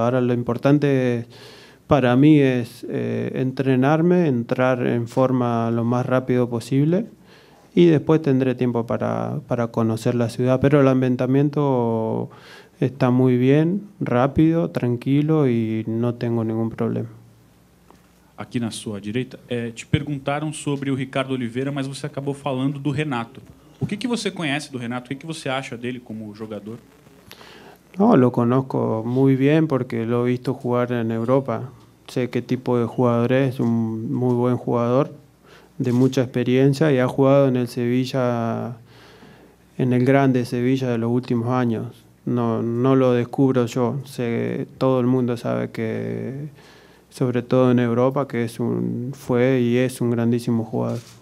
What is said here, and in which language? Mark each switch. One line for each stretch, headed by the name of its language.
Spanish: Ahora lo importante para mí es entrenarme, entrar en forma lo más rápido posible y después tendré tiempo para conocer la ciudad. Pero el ambientamiento está muy bien, rápido, tranquilo y no tengo ningún problema.
Portuguese: Aqui na sua direita, te perguntaram sobre o Ricardo Oliveira, mas você acabou falando do Renato. O que, que você conhece do Renato? O que, que você acha dele como jogador?
Spanish: Não, lo conozco muy bien porque lo he visto jugar en Europa. Sé qué tipo de jugador es, un muy buen jugador, de mucha experiencia y ha jugado en el Sevilla, en el grande Sevilla de los últimos años. No lo descubro yo. Sé, todo el mundo sabe que, sobre todo en Europa, que fue y es un grandísimo jugador.